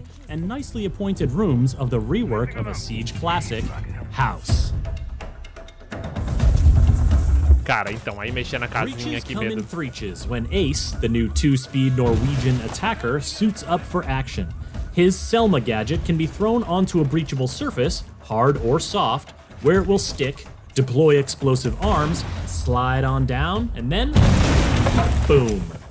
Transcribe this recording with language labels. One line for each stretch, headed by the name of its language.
English: And nicely appointed rooms of the rework of a Siege classic house.
Portuguese: Cara, então, aí mexendo na casinha aqui mesmo.
English: Breaches when Ace, the new two-speed Norwegian attacker, suits up for action. His Selma gadget can be thrown onto a breachable surface, hard or soft, where it will stick, deploy explosive arms, slide on down, and then... boom!